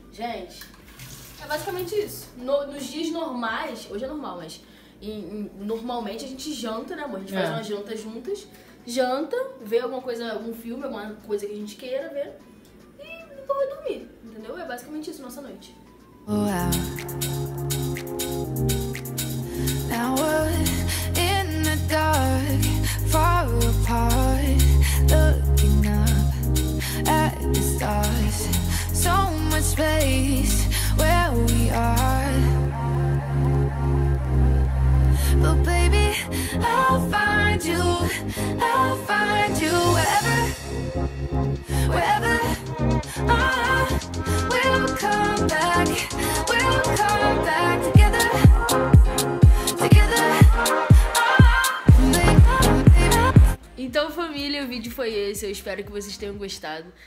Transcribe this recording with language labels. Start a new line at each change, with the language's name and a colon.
Portuguese: Gente, é basicamente isso. Nos dias normais, hoje é normal, mas normalmente a gente janta, né, amor? A gente faz uma janta juntas. Janta, vê alguma coisa, algum filme, alguma coisa que a gente queira ver e depois vai dormir, entendeu? É basicamente isso, nossa noite.
English: Wow. Now we're in the dark, far apart, looking up at the stars, so much space where we are. But baby, I'll find you, I'll find you wherever we'll come back together.
Portuguese: Então, família, o vídeo foi esse. Eu espero que vocês tenham gostado.